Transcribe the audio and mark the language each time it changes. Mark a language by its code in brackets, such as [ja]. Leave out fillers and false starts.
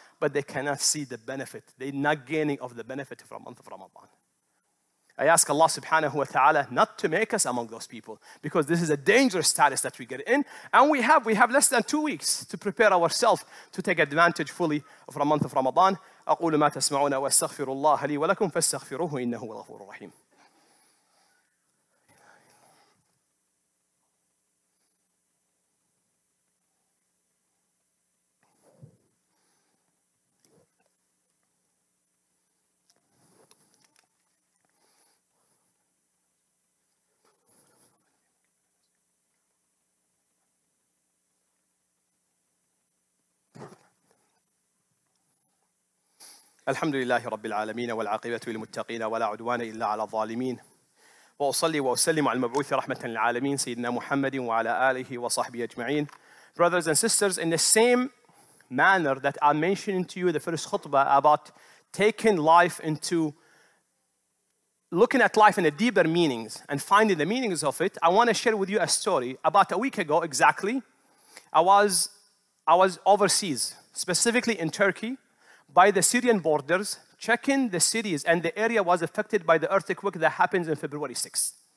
[en] But they cannot see the benefit. They're not gaining of the benefit from the month of Ramadan. I ask Allah subhanahu wa ta'ala not to make us among those people. Because this is a dangerous status that we get in. And we have less than 2 weeks to prepare ourselves to take advantage fully of the month of Ramadan. [ar] أقول ما تسمعون واستغفر الله لي ولكم فاستغفروه إنه الغفور الرحيم. الحمد لله رب العالمين والعاقبة للمتقين ولا عدوان إلا على الظالمين وأصلي وأسلم على المبعوث رحمة للعالمين سيدنا محمد وعلى آله وصحبه أجمعين. [en] Brothers and sisters, in the same manner that I mentioned to you the first khutbah about taking life into looking at life in a deeper meanings and finding the meanings of it, I want to share with you a story. About a week ago exactly, I was overseas, specifically in Turkey, by the Syrian borders, checking the cities, and the area was affected by the earthquake that happens on February 6th.